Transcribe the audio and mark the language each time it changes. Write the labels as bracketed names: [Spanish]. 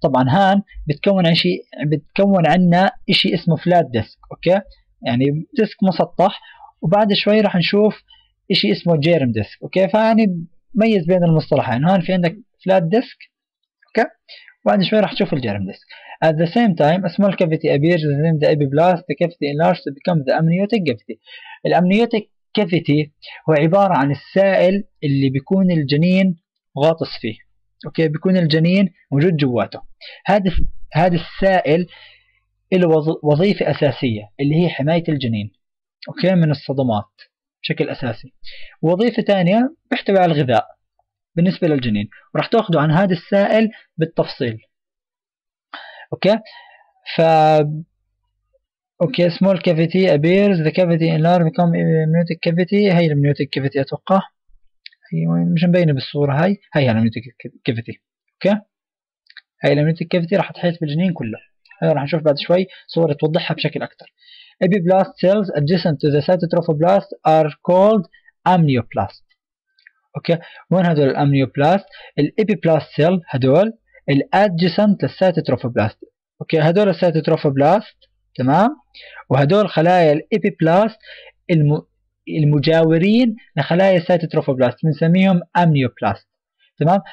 [Arabic] طبعا هان بتكون عن شيء، بتكون عنا إشي اسمه flat disk، أوكي، يعني ديسك مسطح. وبعد شوي راح نشوف إشي اسمه germ disk، أوكي. فيعني ميز بين المصطلحين، هان في عندك flat disk، أوكي، بعد شوي راح تشوف الجيرم ديسك. [English] At the same time a small cavity appears within the epiplast. The cavity enlarges to become the amniotic cavity. [Arabic] الامنيوتيك كافيتي هو عبارة عن السائل اللي بيكون الجنين غاطس فيه، اوكي، بيكون الجنين موجود جواته. هذا السائل له وظيفة اساسية اللي هي حماية الجنين، اوكي، من الصدمات بشكل اساسي. وظيفة تانية بيحتوي على الغذاء بالنسبة للجنين، وراح تأخذوا عن هذا السائل بالتفصيل، أوكي. [English] Okay, small cavity appears the cavity enlarges become amniotic cavity. [Arabic] هاي الامنيوتيك كافيتي أتوقع، هي مش مبينة بالصورة، هاي الامنيوتيك كافيتي، أوكي. هاي الامنيوتيك كافيتي راح تحيط بالجنين كله، هاي راح نشوف بعد شوي صورة توضحها بشكل أكثر. [English] epiplast cells adjacent to the cytotrophoblast are called amnioplast. [Arabic] اوكي، وين هدول الامنيوبلاست؟ الابيبلاست سيل هدول الادجسنت للسيتوتروفوبلاست، اوكي، هدول السيتوتروفوبلاست، تمام، وهدول خلايا الابيبلاست المجاورين لخلايا السيتوتروفوبلاست بنسميهم امنيوبلاست، تمام.